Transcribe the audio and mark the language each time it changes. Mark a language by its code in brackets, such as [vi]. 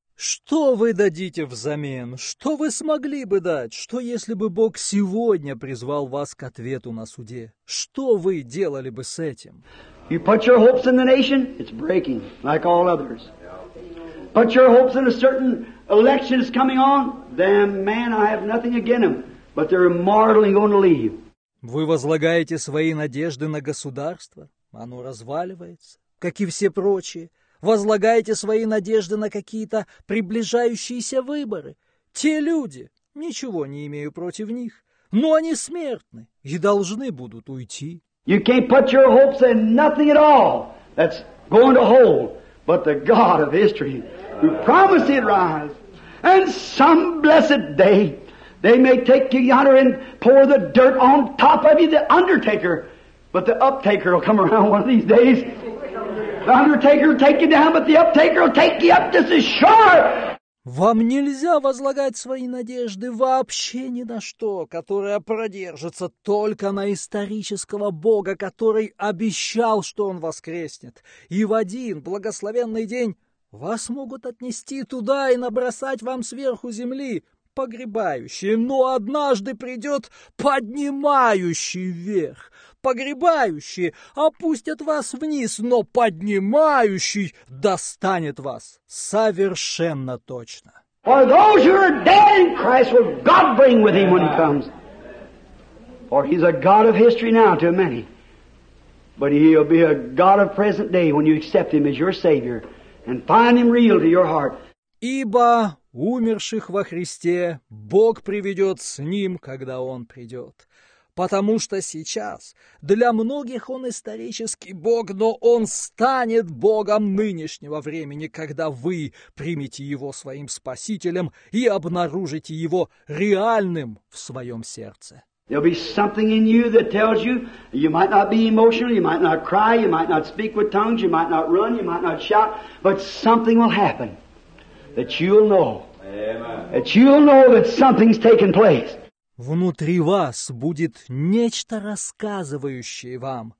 [ru] Что вы дадите взамен? Что вы смогли бы дать? Что если бы Бог сегодня призвал вас к ответу на суде? Что вы делали бы с этим? [en] You put your hopes in the nation, it's breaking, like all others. Put your hopes in a certain election is coming on, then man, I have nothing against them, but they're immortally going to leave. [ru] Вы возлагаете свои надежды на государство, оно разваливается, как и все прочие. Возлагаете свои надежды на какие-то приближающиеся выборы. Те люди, ничего не имею против них, но они смертны и должны будут уйти. [en] You can't put your hopes in nothing at all that's going to hold, but the God of history who promised He'd rise. And some blessed day, they may take you yonder and pour the dirt on top of you, the undertaker, but the uptaker will come around one of these days. The undertaker will take you down, but the uptaker will take you up, this is sure. [ru] Вам нельзя возлагать свои надежды вообще ни на что, которое продержится только на исторического Бога, который обещал, что Он воскреснет. И в один благословенный день вас могут отнести туда и набросать вам сверху земли погребающие, но однажды придет поднимающий вверх. Погребающие опустят вас вниз, но поднимающий достанет вас совершенно точно. [en] For those who are dead in Christ will God bring with Him when He comes. For He's a God of history now to many. But He'll be a God of present day when you accept Him as your Savior and find Him real to your heart. [ru] Ибо умерших во Христе Бог приведет с Ним, когда Он придет. Потому что сейчас для многих Он исторический Бог, но Он станет Богом нынешнего времени, когда вы примете Его своим Спасителем и обнаружите Его реальным в своем сердце. [en] There'll be something in you that tells you, you might not be emotional, you might not cry, you might not speak with tongues, you might not run, you might not shout, but something will happen that you'll know. Amen. That you'll know that something's taken place. [ru] Внутри вас будет нечто рассказывающее вам.